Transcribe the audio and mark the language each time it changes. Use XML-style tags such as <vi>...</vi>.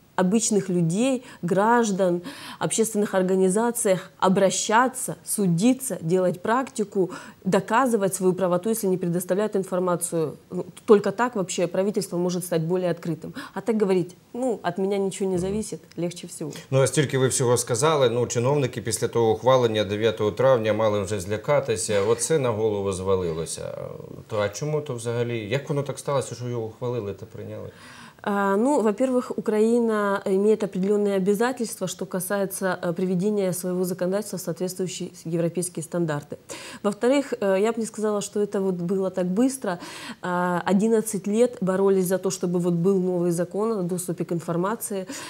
<ru>обычных людей, граждан, общественных организациях обращаться, судиться, делать практику, доказывать свою правоту, если не предоставляют информацию. Только так вообще правительство может стать более открытым. А так говорить, ну, от меня ничего не зависит, легче всего.</ru> <uk>Ну, а стільки ви всього сказали, ну, чиновники після того ухвалення 9 травня мали вже злякатися, оце на голову звалилося. То а чому то взагалі? Як воно так сталося, що його ухвалили та прийняли?</uk> <ru>Ну, во-первых, Украина имеет определенные обязательства, что касается приведения своего законодательства в соответствующие европейские стандарты. Во-вторых, я бы не сказала, что это вот было так быстро. 11 лет боролись за то, чтобы вот был новый закон о доступе к информации.</ru>